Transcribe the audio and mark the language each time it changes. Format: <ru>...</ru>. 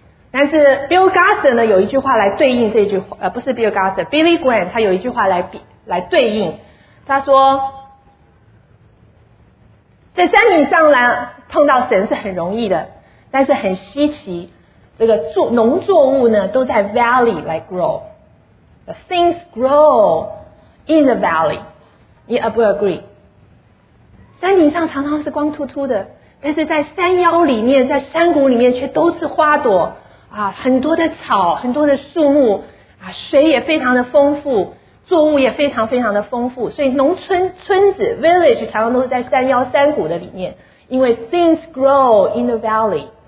<zh>但是 Bill Gardner 呢，有一句话来对应这句话，不是 Bill Gardner， Billy Graham， 他有一句话来对应，他说在山顶上来碰到神是很容易的，但是很稀奇，这个农作物呢都在 valley 来 grow。</zh> <en>The things grow in the valley. You will agree.</en> <zh>山顶上常常是光秃秃的，但是在山腰里面，在山谷里面却都是花朵啊，很多的草，很多的树木啊，水也非常的丰富，作物也非常非常的丰富。所以农村村子 village 常常都是在山腰山谷的里面，因为</zh> <en>things grow in the valley.</en>